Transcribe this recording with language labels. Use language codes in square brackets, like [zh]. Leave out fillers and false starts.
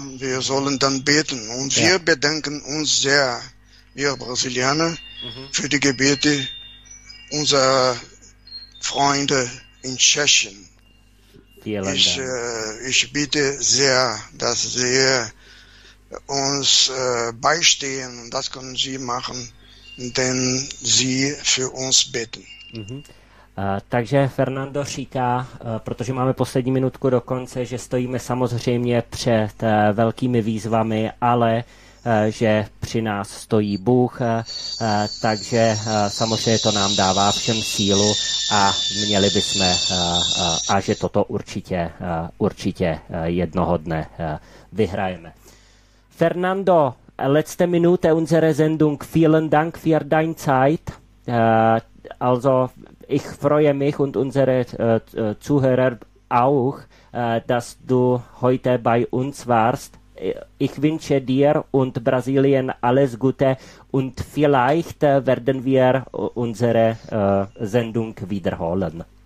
[de] Wir sollen dann beten. Und wir bedanken uns sehr, wir Brasilianer, für die Gebete unserer Freunde in Tschechien. Vielen Ich Dank. bitte sehr, dass Sie uns beistehen. Das können Sie machen, indem Sie für uns beten. [cs] Takže Fernando říká, protože máme poslední minutku do konce, že stojíme samozřejmě před velkými výzvami, ale že při nás stojí Bůh, takže samozřejmě to nám dává všem sílu a měli bychom, a že toto určitě jednoho dne vyhrajeme. Fernando, [de] letzte Minute unserer Sendung. Vielen Dank für deine Zeit. Also ich freue mich und unsere Zuhörer auch, dass du heute bei uns warst. Ich wünsche dir und Brasilien alles Gute und vielleicht werden wir unsere Sendung wiederholen.